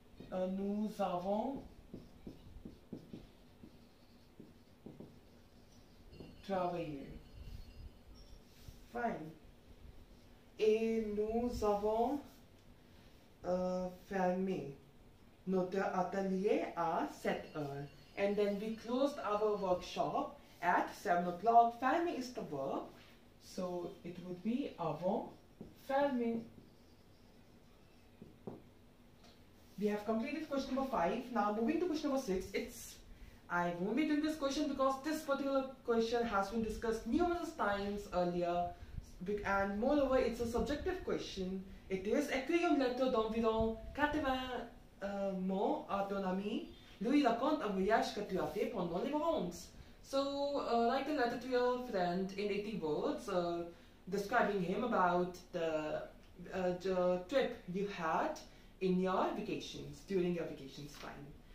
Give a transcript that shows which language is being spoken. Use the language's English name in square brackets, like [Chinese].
[French] Nous avons travaillé. Fine. Et nous avons fermé notre atelier à 7 heures. [English] And then we closed our workshop at 7 o'clock. Fermé is the verb. So it would be [French] avons fermé. [English] We have completed question number 5. Now moving to question number 6. I won't be doing this question because this particular question has been discussed numerous times earlier. And moreover, it's a subjective question. It is [French] Écrivez une lettre d'environ 80 mots à ton ami. Lui raconte un voyage que tu as fait pendant les vacances. [English] So write a letter to your friend in 80 words, describing him about the trip you had in your vacations, during your vacations, fine.